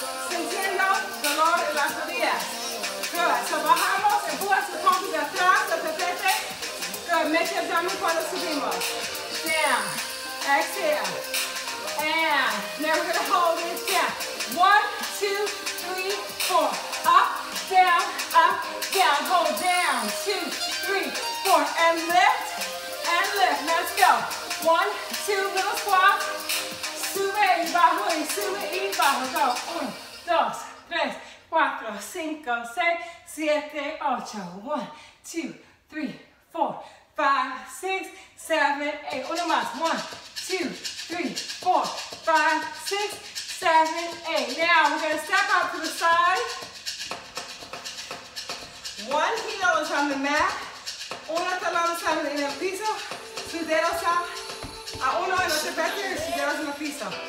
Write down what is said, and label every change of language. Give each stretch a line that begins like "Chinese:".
Spanish: Sintiendo dolor en las rodillas.
English: Good.
Spanish: So bajamos, empujas tu pompa de atrás, el tapete.
English: Good.
Spanish: Mete el abdomen cuando subimos.
English: Down. Exhale. And now we're going to hold it down. One, two, three, four. Up, down, up, down. Hold down. Two, three, four. And lift. And lift. Let's go. One, two, little squat.
Spanish: Sube y bajo y sube y bajo.
English: Go.
Spanish: Uno, dos, tres, cuatro, cinco, seis, siete, ocho.
English: One, two, three, four, five, six, seven, eight.
Spanish: Uno más.
English: One, two, three, four, five, six, seven, eight. Now we're going to step out to the side. One heel is on the mat.
Spanish: Uno talón está en el piso. Su dedo está. A uno en los tapetes y dos en el piso.